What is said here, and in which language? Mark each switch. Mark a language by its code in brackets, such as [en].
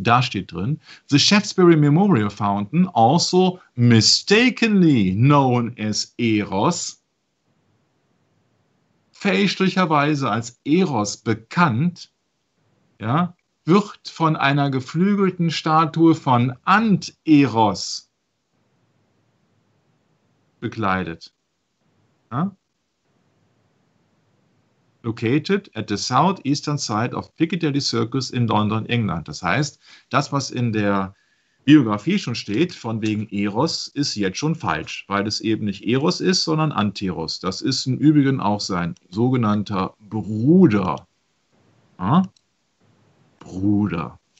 [de] Da steht drin, [en] The Shaftesbury Memorial Fountain, also mistakenly known as Eros, [de] fälschlicherweise als Eros bekannt, ja, wird von einer geflügelten Statue von Ant-Eros bekleidet. Ja? [en] Located at the southeastern side of Piccadilly Circus in London, England. [de] Das heißt, das, was in der Biografie schon steht, von wegen Eros, ist jetzt schon falsch, weil es eben nicht Eros ist, sondern Anteros. Das ist im Übrigen auch sein sogenannter Bruder. Ja? Bruder.